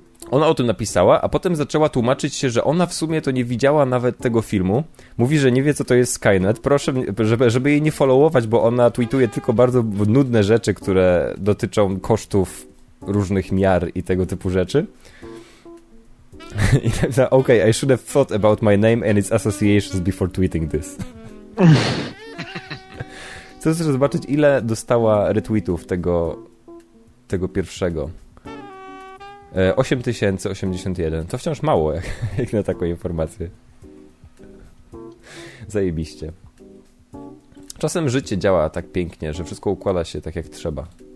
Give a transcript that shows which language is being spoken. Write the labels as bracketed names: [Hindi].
[Polish] Ona o tym napisała, a potem zaczęła tłumaczyć się, że ona w sumie to nie widziała nawet tego filmu. Mówi, że nie wie, co to jest Skynet. Proszę, żeby jej nie followować, bo ona tweetuje tylko bardzo nudne rzeczy, które dotyczą kosztów różnych miar i tego typu rzeczy. I tak, [English] ok, I should have thought about my name and its associations before tweeting this. [Polish] Chcę sobie zobaczyć, ile dostała retweetów tego pierwszego. 8081. To wciąż mało, jak na taką informację. Zajebiście. Czasem życie działa tak pięknie, że wszystko układa się tak, jak trzeba.